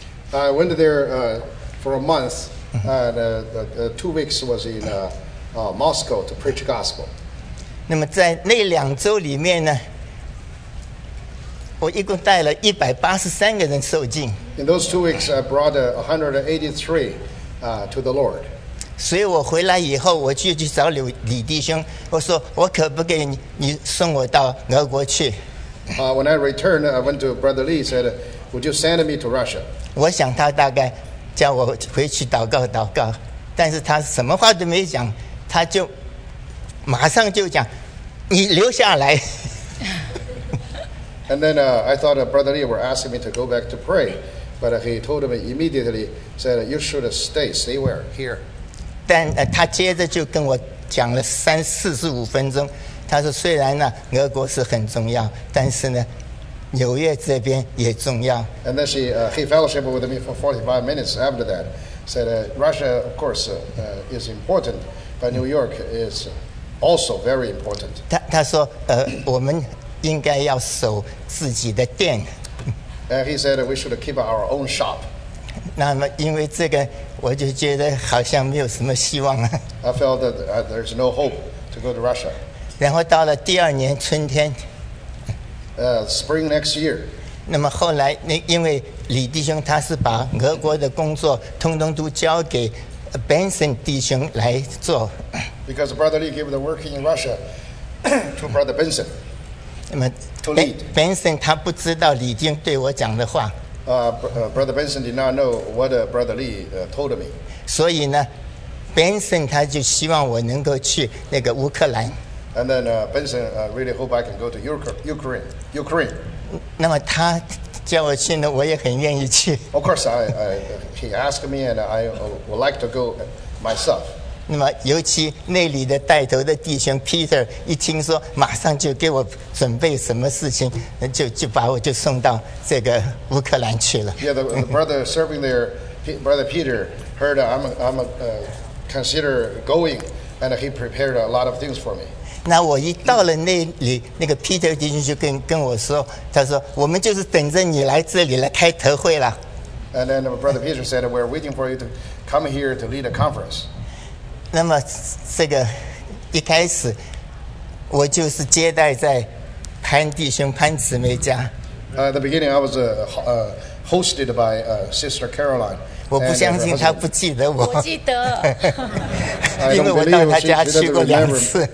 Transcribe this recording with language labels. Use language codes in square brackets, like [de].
[en] I went there for a month, and two weeks was in Moscow to preach gospel. [zh] 那么在那两周里面呢，我一共带了183个人受浸。 [en] In those 2 weeks, I brought 183 to the Lord. [zh] 所以我回来以后，我就去找李弟兄，我说我可不可以你送我到俄国去。 [en] When I returned, I went to Brother Lee, said, "Would you send me to Russia?" [zh] 我想他大概叫我回去祷告，但是他什么话都没讲，他就马上就讲，你留下来。 [en] And then I thought Brother Lee were asking me to go back to pray, but he told me immediately, said, "You should stay where here." [zh] 但他接着就跟我讲了45分钟，他说虽然呢俄国是很重要，但是呢纽约这边也重要。 [en] And then he fellowshiped with me for 45 minutes after that. Said Russia, of course, is important, but New York is also very important. [zh] 他说我们应该要守自己的店。 [en] And he said we should keep our own shop. [zh] 那么因为这个我就觉得好像没有什么希望了。 [en] I felt that there's no hope to go to Russia. [zh] 然后到了第二年春天。 [en] Spring next year. [zh] 那么后来因为李弟兄他是把俄国的工作通通都交给 Benson 弟兄来做。 [en] Because Brother Lee gave the work in Russia to Brother Benson. [zh] 那么 Benson 他不知道李弟兄对我讲的话。 [en] Brother Benson did not know what Brother Lee told me. [zh] 所以呢 ，Benson 他就希望我能够去那个乌克兰。 [en] And then Benson really hope I can go to Ukraine. [zh] 那么他叫我去呢，我也很愿意去。 [en] Of course, he asked me, and I would like to go myself. [zh] 那么尤其那里的带头的弟兄 Peter 一听说，马上就给我准备什么事情，就把我就送到这个乌克兰去了。 [en] Yeah, the brother serving there, brother Peter heard I'm considered going, and he prepared a lot of things for me. [zh] 那我一到了那里，那个 Peter 弟兄就跟我说，他说我们就是等着你来这里来开特会了。 [en] And then brother Peter said we're waiting for you to come here to lead a conference. [zh] 那么这个一开始我就是接待在潘弟兄潘姊妹家。 [en] At the beginning, I was hosted by Sister Caroline. [zh] 我不相信他不记得我。我记得。因为我到他家去过两次。